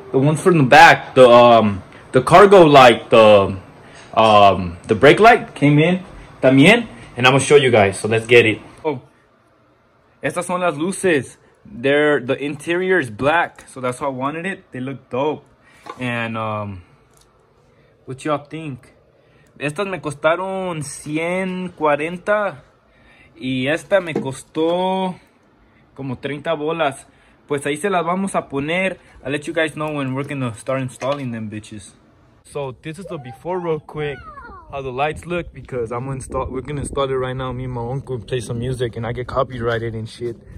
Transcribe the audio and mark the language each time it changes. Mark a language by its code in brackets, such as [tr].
[en] The ones from the back, the cargo light, the brake light came in también. And I'm gonna show you guys. So let's get it. [es] Oh, estas son las luces. [en] The interior is black, so that's why I wanted it. They look dope. And what y'all think? [es] Estas me costaron 140 y esta me costó como 30 bolas. Pues ahí se las vamos a poner. [en] I'll let you guys know when we're gonna start installing them bitches. So this is the before real quick, how the lights look, because we're gonna install it right now. Me and my uncle play some music and I get copyrighted and shit.